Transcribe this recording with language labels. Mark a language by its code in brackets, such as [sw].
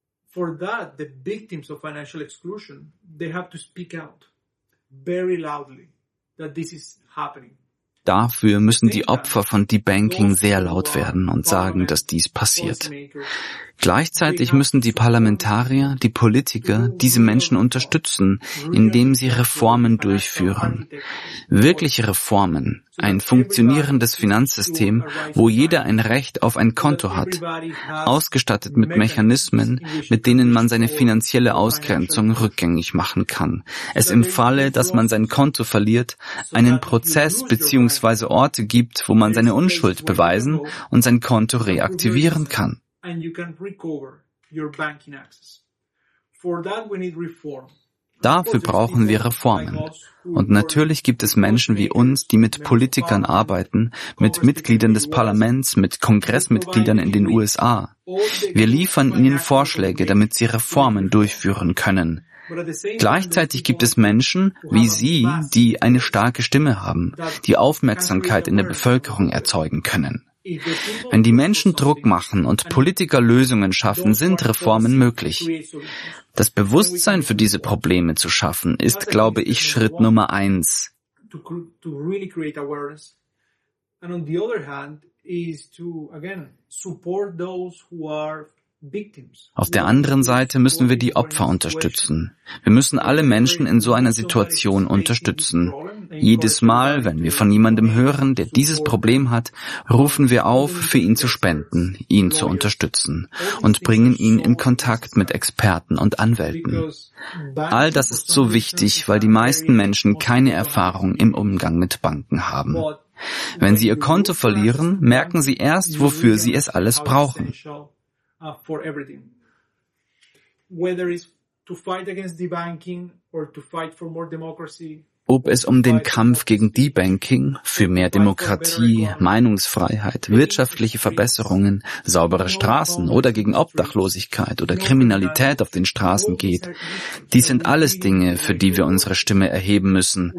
[en] For that, the victims of financial exclusion, they have to speak out very loudly that this is happening. [de] Dafür müssen die Opfer von Debanking sehr laut werden und sagen, dass dies passiert. Gleichzeitig müssen die Parlamentarier, die Politiker diese Menschen unterstützen, indem sie Reformen durchführen. Wirkliche Reformen, ein funktionierendes Finanzsystem, wo jeder ein Recht auf ein Konto hat, ausgestattet mit Mechanismen, mit denen man seine finanzielle Ausgrenzung rückgängig machen kann. Es im Falle, dass man sein Konto verliert, einen Prozess bzw. Orte gibt, wo man seine Unschuld beweisen und sein Konto reaktivieren kann. [en] And you can recover your banking access. For that we need reform. [de] Dafür brauchen wir Reformen. Und natürlich gibt es Menschen wie uns, die mit Politikern arbeiten, mit Mitgliedern des Parlaments, mit Kongressmitgliedern in den USA. Wir liefern ihnen Vorschläge, damit sie Reformen durchführen können. Gleichzeitig gibt es Menschen wie Sie, die eine starke Stimme haben, die Aufmerksamkeit in der Bevölkerung erzeugen können. Wenn die Menschen Druck machen und Politiker Lösungen schaffen, sind Reformen möglich. Das Bewusstsein für diese Probleme zu schaffen, ist, glaube ich, Schritt Nummer eins. [en] To really create awareness. And on the other hand is to again support those who are. [de] Auf der anderen Seite müssen wir die Opfer unterstützen. Wir müssen alle Menschen in so einer Situation unterstützen. Jedes Mal, wenn wir von jemandem hören, der dieses Problem hat, rufen wir auf, für ihn zu spenden, ihn zu unterstützen und bringen ihn in Kontakt mit Experten und Anwälten. All das ist so wichtig, weil die meisten Menschen keine Erfahrung im Umgang mit Banken haben. Wenn sie ihr Konto verlieren, merken sie erst, wofür sie es alles brauchen. [en] For everything, whether it's to fight against debanking or to fight for more democracy. [de] Ob es um den Kampf gegen Debanking, für mehr Demokratie, Meinungsfreiheit, wirtschaftliche Verbesserungen, saubere Straßen oder gegen Obdachlosigkeit oder Kriminalität auf den Straßen geht, dies sind alles Dinge, für die wir unsere Stimme erheben müssen.